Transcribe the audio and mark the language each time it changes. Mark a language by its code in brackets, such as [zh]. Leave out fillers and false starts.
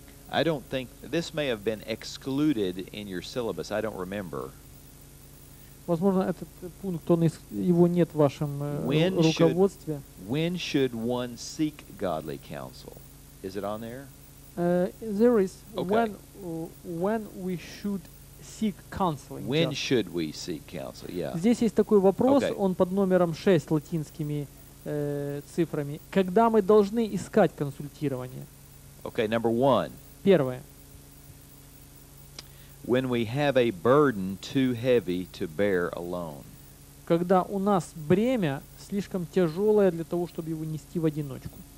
[en] I don't think this may have been excluded in your syllabus. I don't remember. [ru] Возможно, этот пункт, его нет в вашем руководстве. [en] When should one seek godly counsel? Is it on there? There is. Okay. When we should seek counseling. When should we seek counsel? Yeah. [ru] Здесь есть такой вопрос, okay. Он под номером 6 латинскими цифрами. Когда мы должны искать консультирование? [en] Okay, number one. [ru] Первое. [en] When we have a burden too heavy to bear alone. [ru] Когда у нас бремя слишком тяжелое для того, чтобы его нести в одиночку.